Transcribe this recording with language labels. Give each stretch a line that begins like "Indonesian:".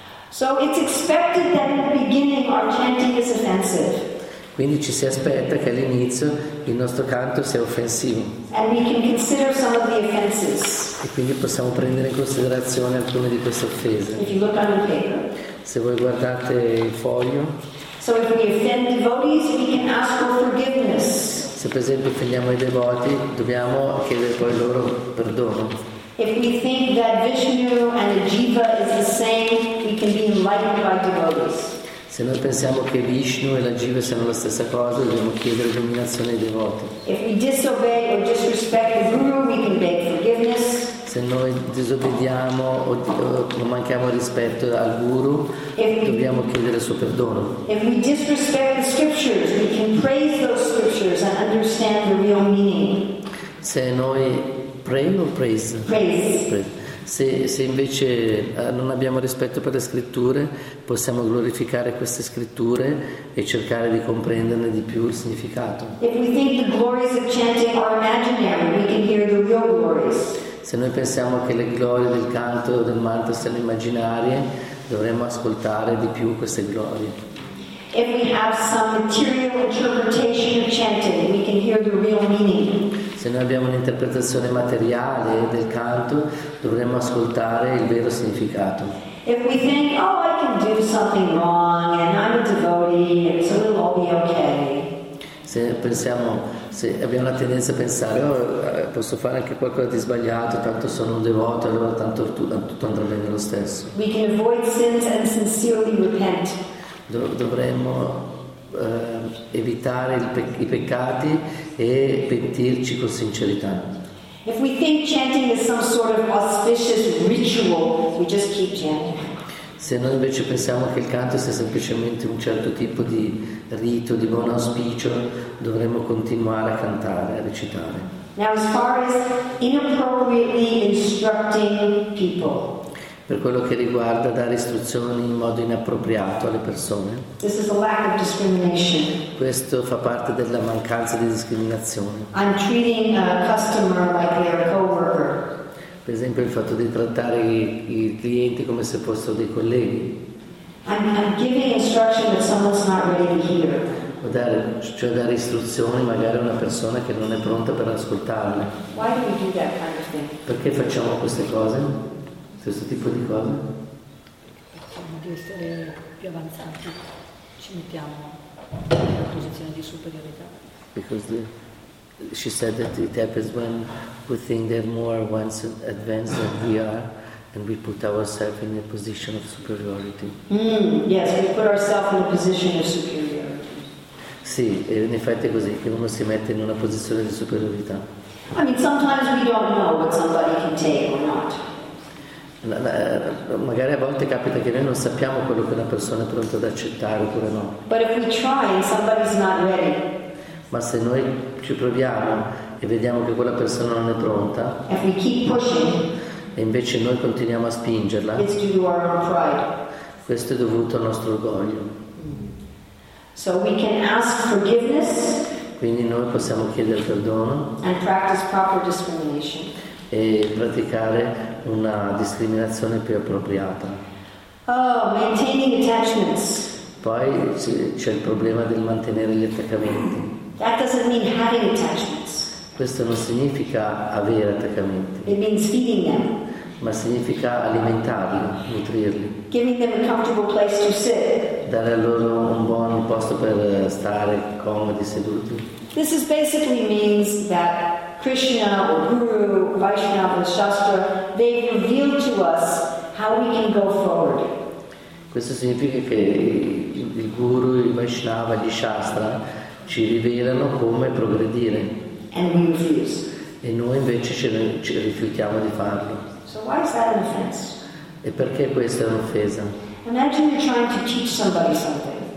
English: So it's expected that in the beginning our chanting is offensive.
Italian: Quindi ci si aspetta che all'inizio il nostro canto sia offensivo.
English: And we can consider some of the offenses.
Italian: E quindi possiamo prendere in considerazione alcune di queste offese.
English: If you look on the paper.
Italian: Se voi guardate il foglio.
English: So if we offend devotees, we can ask for forgiveness.
Italian: Se per esempio offendiamo i devoti, dobbiamo chiedere poi loro perdono.
English: If we think that Vishnu and Jiva is the same, we can be enlightened by devotees.
Italian: Se noi pensiamo che Vishnu e la Jiva siano la stessa cosa, dobbiamo chiedere illuminazione ai devoti.
English: If we disobey or disrespect the guru, we can beg forgiveness.
Italian: Se noi disobbediamo o manchiamo rispetto al guru, dobbiamo chiedere il suo perdono.
English: If we disrespect the scriptures, we can praise those scriptures and understand the real meaning.
Italian: Se noi
English: praise.
Italian: Se invece non abbiamo rispetto per le scritture, possiamo glorificare queste scritture e cercare di comprenderne di più il significato.
English: If we think the glories of chanting are imaginary, we can hear the real glories.
Italian: Se noi pensiamo che le glorie del canto del mantra siano immaginarie, dovremmo ascoltare di più queste glorie.
English: If we have some material interpretation of chanting, we can hear the real meaning.
Italian: Se noi abbiamo un'interpretazione materiale del canto, dovremmo ascoltare il vero significato.
English: If we think, oh, I can do something wrong and I'm a devotee, so it'll all be okay.
Italian: Se pensiamo, se abbiamo la tendenza a pensare, oh, posso fare anche qualcosa di sbagliato, tanto sono un devoto, allora tanto tutto andrà bene lo stesso.
English: We can avoid sins and sincerely repent.
Italian: Dovremmo evitare i peccati e pentirci con sincerità.
English: If we think chanting is some sort of auspicious ritual, we just keep chanting.
Italian: Se noi invece pensiamo che il canto sia semplicemente un certo tipo di rito, di buon auspicio, dovremmo continuare a cantare, a recitare.
English: Now, as far as inappropriately instructing people,
Italian: per quello che riguarda dare istruzioni in modo inappropriato alle persone,
English: this is a lack of discrimination.
Italian: Questo fa parte della mancanza di discriminazione.
English: I'm treating a customer like their coworker.
Italian: Per esempio il fatto di trattare i clienti come se fossero dei colleghi.
English: I'm giving instruction that someone's not ready to hear.
Italian: Cioè dare istruzioni magari a una persona che non è pronta per ascoltarle.
English: Why do we do that kind of thing?
Italian: Perché facciamo queste cose? Questo tipo di cose? Facciamo di essere più avanzati. Ci mettiamo in una posizione di superiorità.
English: Because the, she said that it happens when we think they're more advanced than we are, and we put ourselves in a position of superiority. Yes, we put ourselves in a position of superiority.
Italian: Sì, in effetti è così, che uno si mette in una posizione di superiorità.
English: I mean, sometimes we don't know what somebody can take or not.
Italian: Magari a volte capita che noi non sappiamo quello che una persona è pronta ad accettare oppure no.
English: But if we try and somebody's not ready.
Italian: Ma se noi ci proviamo e vediamo che quella persona non è pronta,
English: if we keep pushing,
Italian: e invece noi continuiamo a spingerla,
English: it's due to our own pride.
Italian: Questo è dovuto al nostro orgoglio.
English: So we can ask forgiveness.
Italian: Quindi noi possiamo chiedere perdono.
English: And practice proper discrimination.
Italian: E praticare una discriminazione più appropriata.
English: Oh, maintaining attachments.
Italian: Poi c'è il problema del mantenere gli attaccamenti.
English: That doesn't mean having attachments.
Italian: Questo non significa avere attaccamenti.
English: It means feeding them.
Italian: Ma significa alimentarli, nutrirli.
English: Giving them a comfortable place to sit.
Italian: Dare a loro un buon posto per stare comodi seduti.
English: This is basically means that Krishna or Guru, Vaishnava, Shastra, they reveal to us how we can go forward.
Italian: Questo significa che il Guru, il Vaishnava, gli Shastra ci rivelano come progredire.
English: And we refuse.
Italian: E noi invece ci rifiutiamo di farlo.
English: So why is that an offense?
Italian: E perché questa è un'offesa?
English: Imagine you're trying to teach somebody something.